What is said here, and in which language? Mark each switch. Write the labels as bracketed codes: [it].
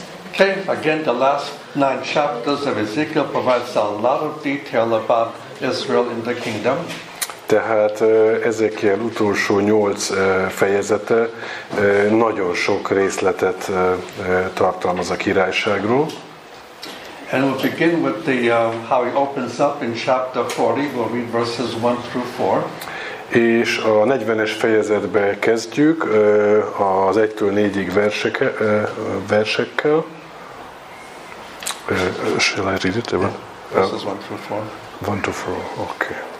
[en] Okay, again, the last nine chapters of Ezekiel provides a lot of detail about Israel in the kingdom. [hu] Tehát Ezekiel utolsó 8 fejezete nagyon sok részletet tartalmaz a királyságról. [en] And we'll begin with the how he opens up in chapter 40. We'll read verses 1 through 4. [hu] És a 40-es fejezetbe kezdjük az 1-től 4-ig versekkel. [en] Shall I read it? Yeah. Verses 1 through 4. 1 through 4, okay.